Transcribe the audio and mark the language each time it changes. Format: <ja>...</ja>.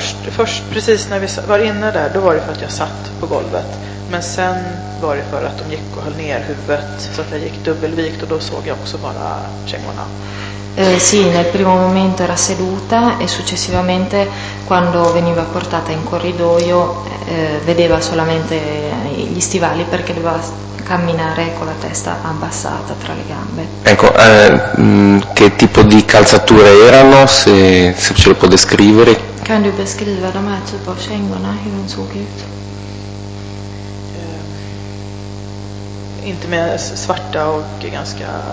<sv>Först precis när vi var inne där, då var det för att jag satt på golvet. Men sen var det för att de gick och höll ner huvudet så att jag gick dubbelvikt och då såg jag också bara kängorna.</sv> <it>Sì, nel primo momento era seduta e successivamente quando veniva portata in corridoio vedeva solamente gli stivali perché doveva camminare con la testa abbassata tra le gambe. Ecco, che tipo di calzature erano, se ce le può descrivere?</it> <sv>Kan du beskriva de här typ av kängorna, hur de såg ut? Inte mer svarta och ganska...</sv>